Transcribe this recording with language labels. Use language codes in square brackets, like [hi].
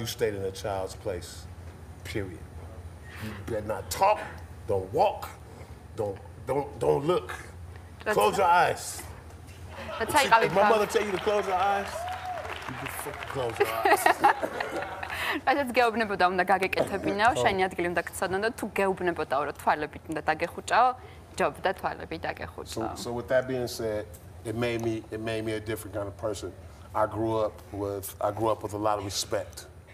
[en] you stayed in a child's place, period. You better not talk, don't walk, don't look. Close your eyes. If my mother tell you to close your eyes, [ka] Ასეც გეუბნებოდა უნდა გაგეკეთებინაო, შენი ადგილი უნდა გცოდნო და თუ გეუბნებოდა რომ თვალებით უნდა დაგეხუჭაო, ჯობდა თვალები დაგეხუჭაო. [en] So with that being said, it made me a different kind of person. I grew up with a lot of respect.